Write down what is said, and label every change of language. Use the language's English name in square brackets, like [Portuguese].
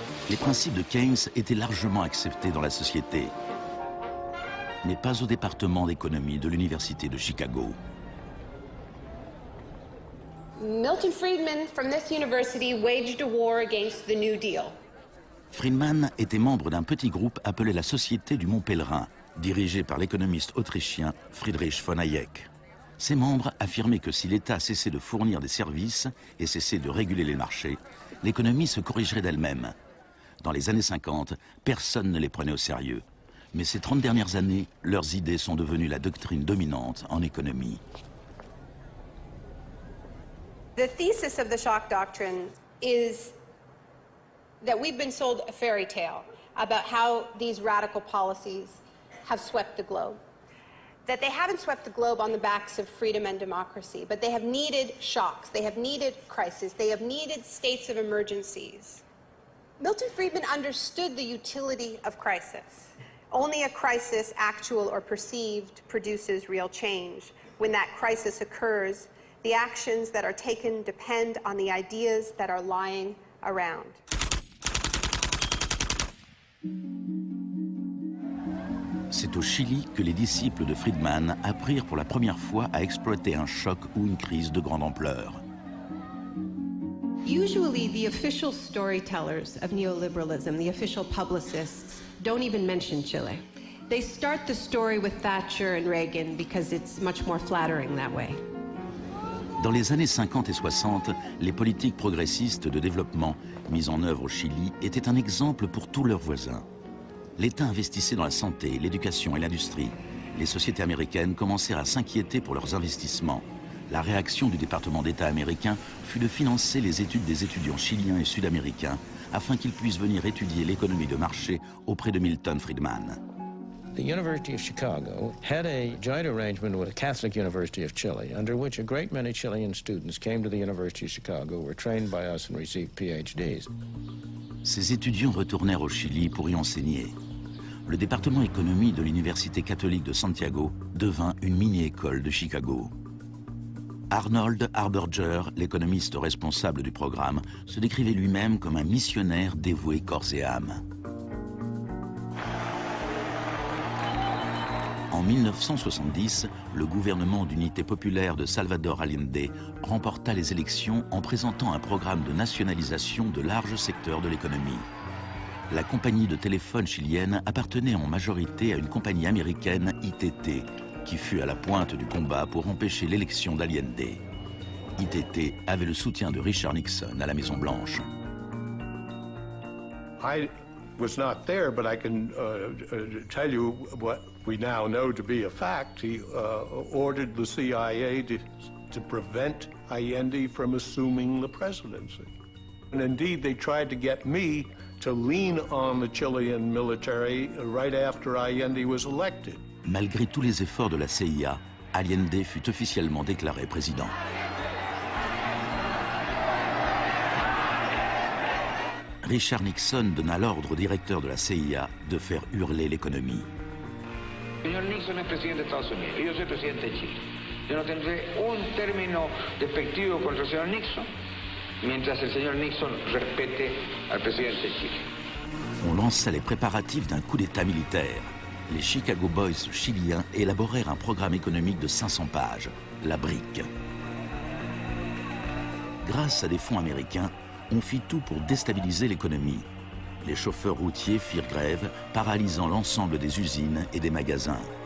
[French] Les principes de Keynes étaient largement acceptés dans la société, mais pas au département d'économie de l'Université de Chicago. [English] Milton Friedman, from this university, waged a war against the New Deal. [French] Friedman était membre d'un petit groupe appelé la Société du Mont Pèlerin, dirigé par l'économiste autrichien Friedrich von Hayek. Ses membres affirmaient que si l'État cessait de fournir des services et cessait de réguler les marchés, l'économie se corrigerait d'elle-même. Dans les années 50, personne ne les prenait au sérieux. Mais ces 30 dernières années, leurs idées sont devenues la doctrine dominante en économie. [English] The thesis of the shock doctrine is that we've been sold a fairy tale about how these radical policies have swept the globe. That they haven't swept the globe on the backs of freedom and democracy, but they have needed shocks, they have needed crises, they have needed states of emergencies. Milton Friedman understood the utility of crisis. Only a crisis, actual or perceived, produces real change. When that crisis occurs, the actions that are taken depend on the ideas that are lying around. [French] C'est au Chili que les disciples de Friedman apprirent pour la première fois à exploiter un choc ou une crise de grande ampleur. [English] Usually, the official storytellers of neoliberalism, the official publicists, don't even mention Chile. They start the story with Thatcher and Reagan because it's much more flattering that way. [French] Dans les années 50 et 60, les politiques progressistes de développement mises en œuvre au Chili étaient un exemple pour tous leurs voisins. L'État investissait dans la santé, l'éducation et l'industrie. Les sociétés américaines commencèrent à s'inquiéter pour leurs investissements. La réaction du département d'État américain fut de financer les études des étudiants chiliens et sud-américains afin qu'ils puissent venir étudier l'économie de marché auprès de Milton Friedman. [English] The University of Chicago had a joint arrangement with the Catholic University of Chile, under which a great many Chilean students came to the University of Chicago, were trained by us and received PhDs. [French] Ces étudiants retournèrent au Chili pour y enseigner. Le département économie de l'Université catholique de Santiago devint une mini-école de Chicago. Arnold Harberger, l'économiste responsable du programme, se décrivait lui-même comme un missionnaire dévoué corps et âme. En 1970, le gouvernement d'unité populaire de Salvador Allende remporta les élections en présentant un programme de nationalisation de larges secteurs de l'économie. La compagnie de téléphone chilienne appartenait en majorité à une compagnie américaine, ITT, qui fut à la pointe du combat pour empêcher l'élection d'Allende. ITT avait le soutien de Richard Nixon à la Maison Blanche. [English] I was not there, but I can tell you what we now know to be a fact. He ordered the CIA to prevent Allende from assuming the presidency. And indeed, they tried to get me to lean on the Chilean military right after Allende was elected. [French] Malgré tous les efforts de la CIA, Allende fut officiellement déclaré président. Richard Nixon donna l'ordre au directeur de la CIA de faire hurler l'économie. [Spanish] Señor Nixon es presidente de Estados Unidos, yo soy presidente de Chile. Yo no tendré un término despectivo contra el señor Nixon mientras el señor Nixon respete al presidente de Chile. [French] On lança les préparatifs d'un coup d'état militaire. Les Chicago Boys chiliens élaborèrent un programme économique de 500 pages, la brique. Grâce à des fonds américains, on fit tout pour déstabiliser l'économie. Les chauffeurs routiers firent grève, paralysant l'ensemble des usines et des magasins.